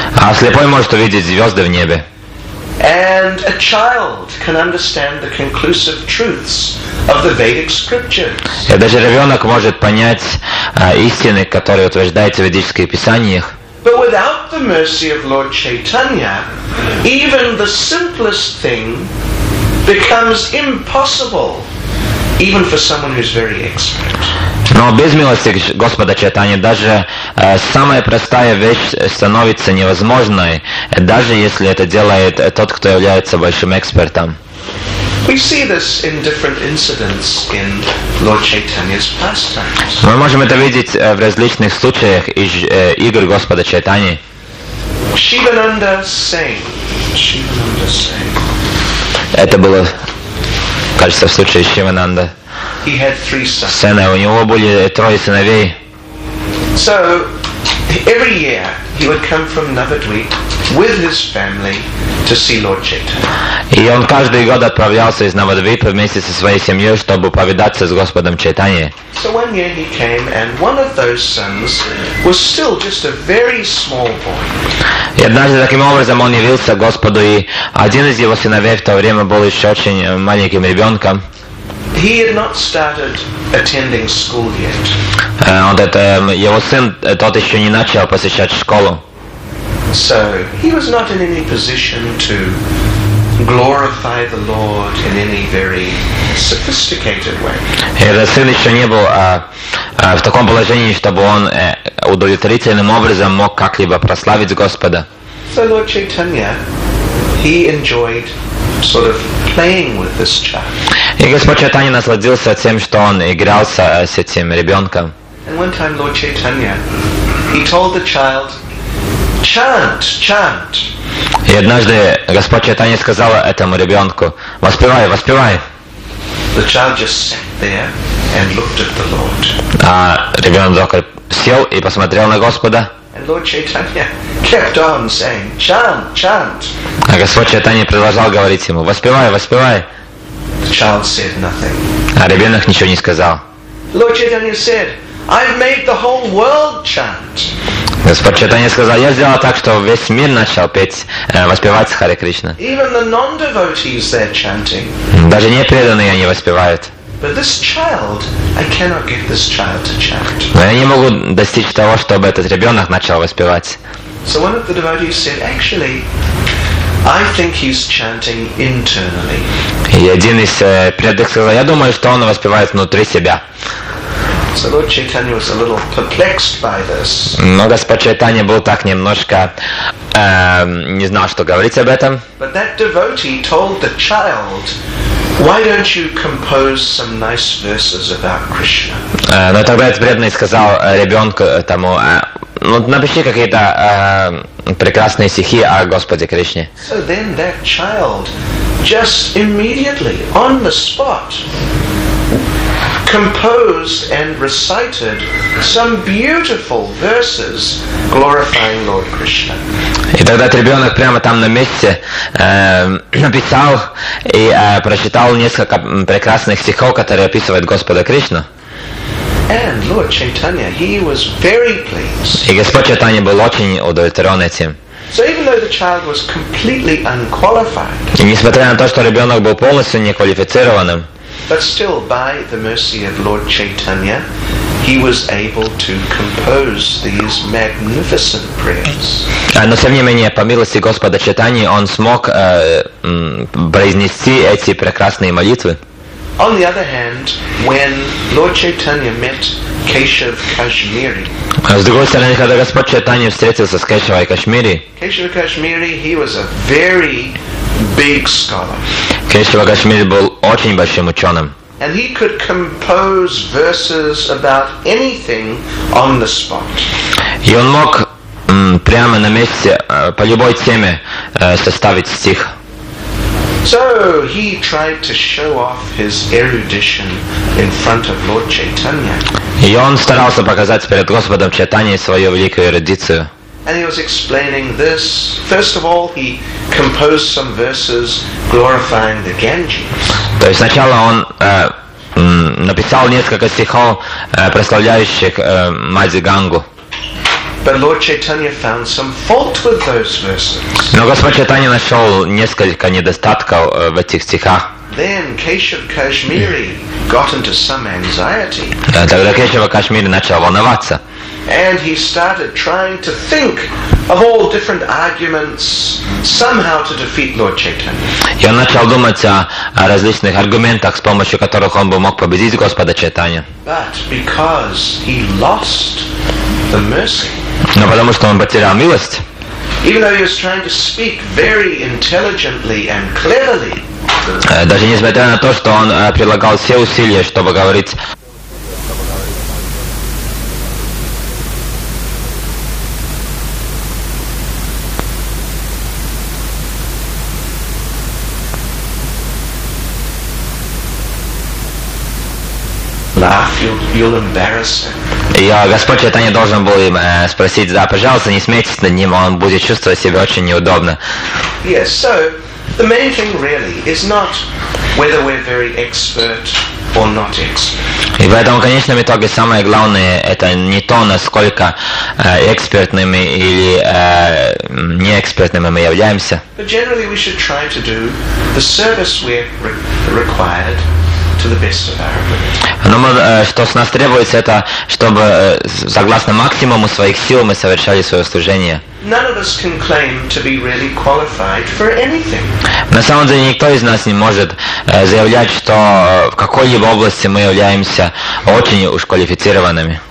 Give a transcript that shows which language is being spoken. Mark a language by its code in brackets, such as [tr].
[ru] А слепой может увидеть звезды в небе. [en] And a child can understand the conclusive truths of the Vedic scriptures. [ru] Даже ребенок может понять истины, которые утверждаются в ведических писаниях. [en] But without the mercy of Lord Chaitanya, even the simplest thing becomes impossible, even for someone who's very expert. [ru] Но без милости Господа Чайтаньи даже самая простая вещь становится невозможной, даже если это делает тот, кто является большим экспертом. [en] We see this in different incidents in Lord Chaitanya's pastimes. [ru] Мы можем это видеть в различных случаях из игр Господа Чайтаньи. Шивананда Сейн. Шивананда Сейн. Это было, кажется, в случае Шивананда. [en] He had three sons. [ru] Сына, у него были трое сыновей. [en] So every year he would come from Navadvip with his family to see Lord Chaitanya. [ru] И он каждый год отправлялся из Навадвипа вместе со своей семьей, чтобы повидаться с Господом Чайтаньей. [en] So one year he came, and one of those sons was still just a very small boy. [ru] И однажды таким образом он явился Господу, и один из его сыновей в то время был еще очень маленьким ребенком. [en] He had not started attending school yet. [ru] Его сын тот еще не начал посещать школу. [en] So he was not in any position to glorify the Lord in any very sophisticated way. [ru] Этот сын еще не был в таком положении, чтобы он удовлетворительным образом мог как-либо прославить Господа. [en] So Lord Chaitanya, he enjoyed sort of playing with this child. [ru] И Господь Чайтанья насладился тем, что он игрался с этим ребенком. [en] And one time Lord Chaitanya, he told the child, chant, chant. [ru] И однажды Господь Чайтанья сказал этому ребенку, воспевай, воспевай. [en] The child just sat there and looked at the Lord. [ru] А ребенок сел и посмотрел на Господа. [en] And Lord Chaitanya kept on saying, chant, chant. [ru] А Господь Чайтанья продолжал говорить ему, воспевай, воспевай. [en] The child said nothing. [ru] А ребенок ничего не сказал. [en] Lord Chaitanya said, I've made the whole world chant. [ru] Господь Чайтанья сказал, я сделал так, что весь мир начал петь, воспевать Харе Кришна. [en] Even the non-devotees, they're chanting. [ru] Даже непреданные они воспевают. [en] But this child, I cannot get this child to chant. [ru] Но я не могу достичь того, чтобы этот ребенок начал воспевать. [en] So one of the devotees said, actually, I think he's chanting internally. [ru] И один из преданных сказал, я думаю, что он воспевает внутри себя. [en] So Lord Chaitanya was a little perplexed by this. [ru] Но Господь Чайтанья был так немножко не знал, что говорить об этом. [en] But that devotee told the child, why don't you compose some nice verses about Krishna? [ru] Но тогда этот преданный сказал ребенку тому, ну напиши какие-то прекрасные стихи о Господе Кришне. [en] So then that child just immediately on the spot composed and recited some beautiful verses glorifying Lord Krishna. [ru] И тогда ребенок прямо там на месте написал и прочитал несколько прекрасных стихов, которые описывают Господа Кришну. [en] And Lord Chaitanya, he was very pleased. [ru] И Господь Чайтанья был очень удовлетворен этим. [en] So even though the child was completely unqualified. [ru] И несмотря на то, что ребенок был полностью неквалифицированным. [en] But still, by the mercy of Lord Chaitanya, he was able to compose these magnificent prayers. [ru] Но тем не менее, по милости Господа Чайтаньи, он смог произнести эти прекрасные молитвы. [en] On the other hand, when Lord Chaitanya met Keshav Kashmiri. [ru] С другой стороны, когда Господь Чайтанья встретился с Кешавой Кашмири. [en] Keshav Kashmiri, he was a very big scholar. [ru] Кешава Кашмири был очень большим ученым. [en] And he could compose verses about anything on the spot. [ru] И он мог прямо на месте по любой теме составить стих. [en] So he tried to show off his erudition in front of Lord Chaitanya. [ru] И он старался показать перед Господом Чайтаньей свою великую эрудицию. [en] And he was explaining this. First of all, he composed some verses glorifying the Ganges. [ru] То есть сначала он написал несколько стихов, прославляющих мать Гангу. [en] But Lord Chaitanya found some fault with those verses. [ru] Но Господь Чайтанья нашел несколько недостатков в этих стихах. [en] Then Keshav Kashmiri got into some anxiety. [ru] Тогда Кешав Кашмири начал волноваться. [en] And he started trying to think of all different arguments somehow to defeat Lord Chaitanya. [ru] И он начал думать о различных аргументах, с помощью которых он бы мог победить Господа Чайтанья. [en] But because he lost the mercy. [ru] Но потому что он потерял милость. [en] Even though he was trying to speak very intelligently and cleverly. [ru] Даже несмотря на то, что он прилагал все усилия, чтобы говорить. [en] You'll embarrass. [ru] И Господь Чайтанья должен был им спросить: да, пожалуйста, не смейтесь над ним, он будет чувствовать себя очень неудобно. [en] Yes, so the main thing really is not whether we're very expert or not expert. [ru] И поэтому, в конечном итоге, самое главное это не то, насколько экспертными или неэкспертными мы являемся. [en] But generally, we should try to do the service we're required. To the best of our ability. [ru] Но что с нас требуется, это чтобы согласно максимуму своих сил мы совершали свое служение. [en] None of us can claim to be really qualified for anything. [ru] На самом деле никто из нас не может заявлять, что в какой-либо области мы являемся очень уж квалифицированными.